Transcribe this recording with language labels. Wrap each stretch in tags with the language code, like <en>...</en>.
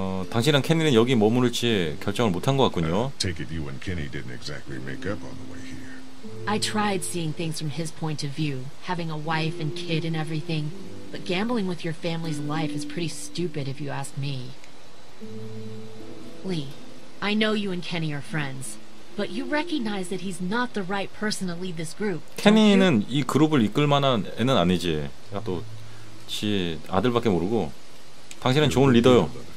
<ko>당신이랑 케니는 여기 머무를지 결정을 못한 것 같군요.</ko> <en>Take it you and Kenny didn't exactly make up on the way here. I tried seeing things from his point of view, having a wife and kid and everything, but gambling with your family's life is pretty stupid if you ask me. Lee, I know you and Kenny are friends, but you recognize that he's not the right person to lead this group.</en> <ko>케니는 이 그룹을 이끌 만한 애는 아니지. 또 지 아들밖에 모르고 당신은 좋은 리더요.</ko>